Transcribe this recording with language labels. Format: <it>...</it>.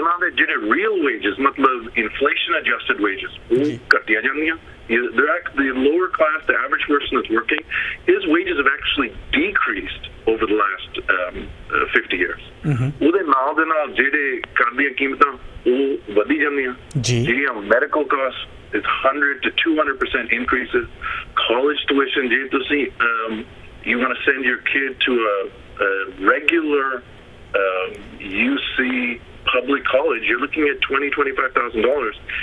<pa>ਜਿਹੜੇ real wages ਮਤਲਬ inflation ਐਡਜਸਟਡ wages ਉਹ ਘਟੀਆਂ ਜਾਂਦੀਆਂ</pa> <en>The lower class, the average person that's working, his wages have actually decreased over the last 50 years.</en> <pa>ਉਹਦੇ ਨਾਲ ਦੇ ਨਾਲ ਜਿਹੜੇ ਕਰਦੀਆਂ ਕੀਮਤਾਂ ਉਹ ਵਧੀ ਜਾਂਦੀਆਂ ਜਿਹੜੀਆਂ medical caste</pa> <en>is 100-200% increases. College tuition, do you see, you want to send your kid to a regular UC public college, you're looking at $20,000-$25,000.</en>